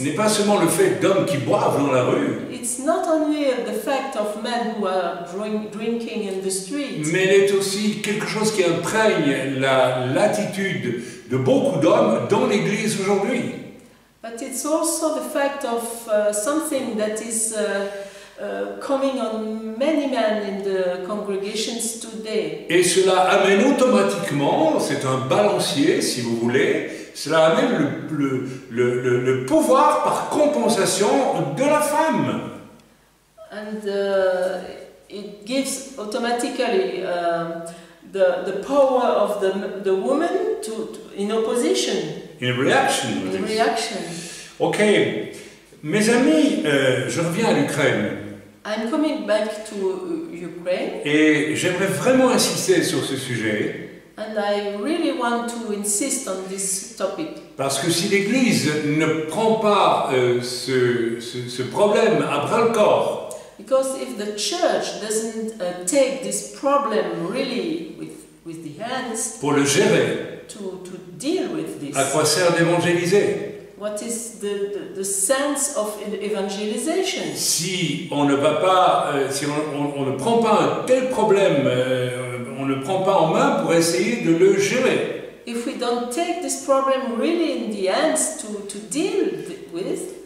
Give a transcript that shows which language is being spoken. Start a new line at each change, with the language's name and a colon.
French: n'est pas seulement le fait d'hommes qui boivent dans la rue.
English: It's not only the fact of men who are drinking in the street.
French: Mais c'est aussi quelque chose qui imprègne l'attitude de beaucoup d'hommes dans l'Église aujourd'hui.
English: But it's also the fact of something that is coming on many men in the congregations today.
French: Et cela amène automatiquement, c'est un balancier si vous voulez, cela amène le pouvoir par compensation de la femme.
English: And it gives automatically the power of the woman to in opposition. In reaction. In reaction.
French: Ok, mes amis, je reviens à l'Ukraine.
English: I'm coming back to Ukraine.
French: Et j'aimerais vraiment insister sur ce sujet.
English: And I really want to insist on this topic.
French: Parce que si l'Église ne prend pas ce problème à bras le corps.
English: Because if the church doesn't take this problem really with the hands.
French: Pour le gérer.
English: To deal with this.
French: À quoi sert d'évangéliser?
English: What is the sense of evangelization?
French: Si on ne va pas, si on ne prend pas un tel problème, on ne prend pas en main pour essayer de le gérer.
English: If we don't take this problem really in the hands to deal with.